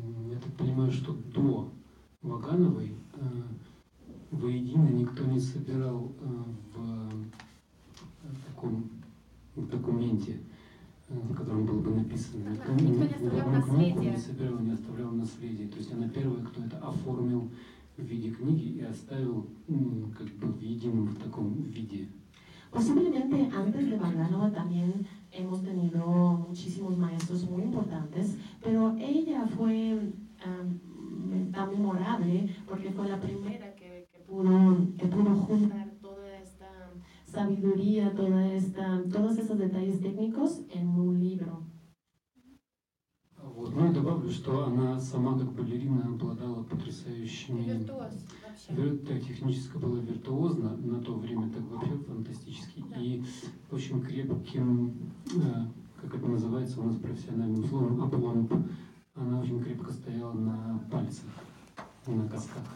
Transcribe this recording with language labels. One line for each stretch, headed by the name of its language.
Russian: Я так понимаю, что до Вагановой воедино никто не собирал в документе, в котором было бы написано. Никто не оставлял наследие. То есть она первая, кто это оформил в виде книги и оставил как бы в едином в таком виде.
Spanish: Posiblemente antes de Ваганова también hemos tenido muchísimos maestros muy importantes, pero ella fue tan memorable porque fue la primera que pudo juntar toda esta sabiduría, todos esos detalles técnicos en un libro.
Russian: Вот, ну и добавлю, что она сама как балерина обладала потрясающими... Техническая была виртуозна, на то время так вообще фантастически, и очень крепким, как это называется у нас профессиональным словом, апломб, она очень крепко стояла на пальцах, на костках.